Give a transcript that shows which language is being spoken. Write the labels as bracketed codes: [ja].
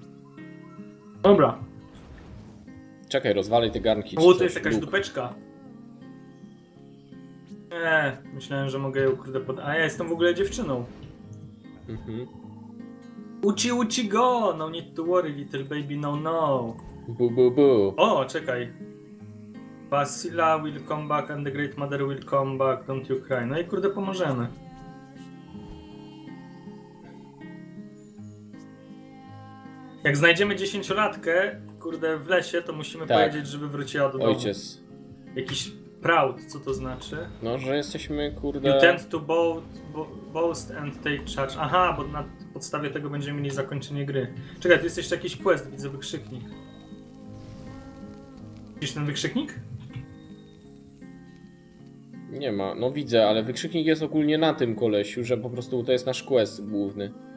[pl] Mhm. Dobra. Czekaj, rozwalaj te garnki. O, to jest jakaś dupeczka. Myślałem, że mogę ją kurde pod... A ja jestem w ogóle dziewczyną. Mhm. Uci go! [en] No need to worry, little baby, no. Bu. [pl] O, czekaj. [en] Basila will come back and the great mother will come back, don't you cry. [pl] No i kurde pomożemy. Jak znajdziemy 10-latkę, kurde, w lesie, to musimy tak powiedzieć, żeby wróciła do domu. Ojciec. Jakiś proud, co to znaczy? No, że jesteśmy, kurde... [en] You tend to boast and take charge. [pl] Aha, bo na podstawie tego będziemy mieli zakończenie gry. Czekaj, tu jest jeszcze jakiś quest, widzę wykrzyknik. Widzisz ten wykrzyknik? Nie ma, no widzę, ale wykrzyknik jest ogólnie na tym kolesiu, że po prostu to jest nasz quest główny.